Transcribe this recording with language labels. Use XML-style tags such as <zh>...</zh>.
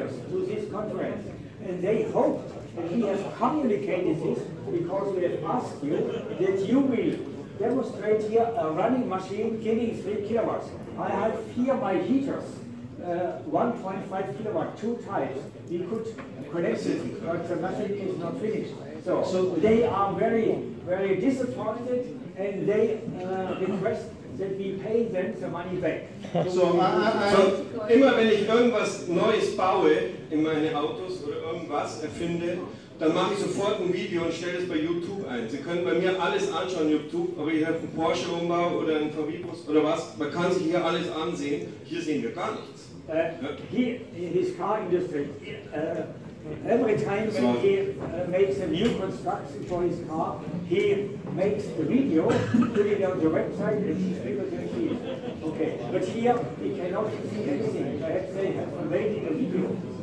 <en>And he has communicated this because we have asked you that you will demonstrate here a running machine giving 3 kilowatts. I have here my heaters, 1.5 kilowatt, two types. We could connect it, but the machine is not finished. So they are very, very disappointed and they request that we pay them the money back.</en> <de>So immer wenn ich irgendwas Neues baue in meine Autos oder irgendwas erfinde, dann mache ich sofort ein Video und stelle es bei YouTube ein. Sie können bei mir alles anschauen, YouTube, ob ich einen Porsche umbaue oder einen VW-Bus oder was. Man kann sich hier alles ansehen. Hier sehen wir gar nichts. Hier,</de> <en>in this car industry, every time he makes a new construction for his car, he makes a video, put it on the website, and his people can see it. Okay, but here, he cannot see anything. Perhaps they have made a video.</en>